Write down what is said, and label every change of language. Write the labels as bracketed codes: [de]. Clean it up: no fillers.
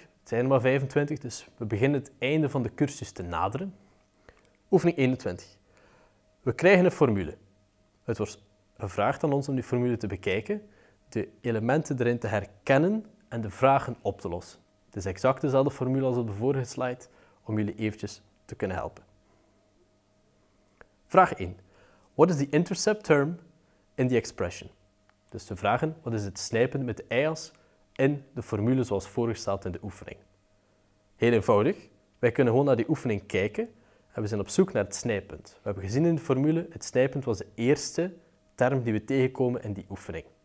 [nl] Het zijn er maar 25, dus we beginnen het einde van de cursus te naderen. Oefening 21. We krijgen een formule. Het wordt gevraagd aan ons om die formule te bekijken, de elementen erin te herkennen en de vragen op te lossen. Het is exact dezelfde formule als op de vorige slide, om jullie eventjes te kunnen helpen. Vraag 1. [en] What is the intercept term in the expression? [nl] Dus de vragen, wat is het snijpen met de i-as in de formule zoals voorgesteld in de oefening? Heel eenvoudig. Wij kunnen gewoon naar die oefening kijken en we zijn op zoek naar het snijpunt. We hebben gezien in de formule, het snijpunt was de eerste term die we tegenkomen in die oefening.